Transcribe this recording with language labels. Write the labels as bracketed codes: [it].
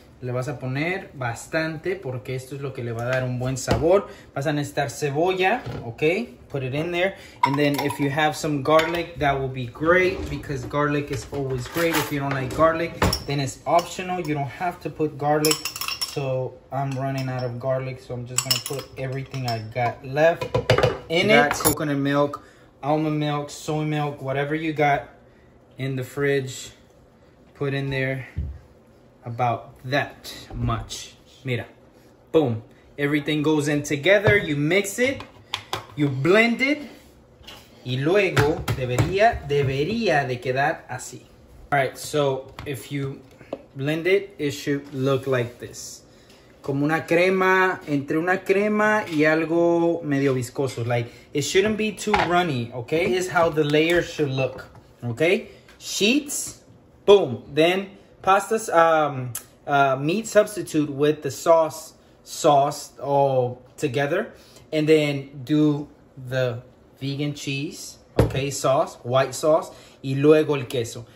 [es] Le vas a poner bastante porque esto es lo que le va a dar un buen sabor. Vas a necesitar cebolla, okay? [en] Put it in there. And then if you have some garlic, that will be great because garlic is always great. If you don't like garlic, then it's optional. You don't have to put garlic. So I'm running out of garlic, so I'm just gonna put everything I got left in it. Coconut milk, almond milk, soy milk, whatever you got in the fridge, put in there. About that much. Mira, boom. Everything goes in together. You mix it, you blend it, [es] y luego debería de quedar así. [en] All right, so if you blend it, it should look like this. [es] Como una crema, entre una crema y algo medio viscoso. [en] Like, it shouldn't be too runny, okay? This is how the layers should look, okay? Sheets, boom. Then pasta's meat substitute with the sauce all together. And then do the vegan cheese, okay, sauce, white sauce. [es] Y luego el queso.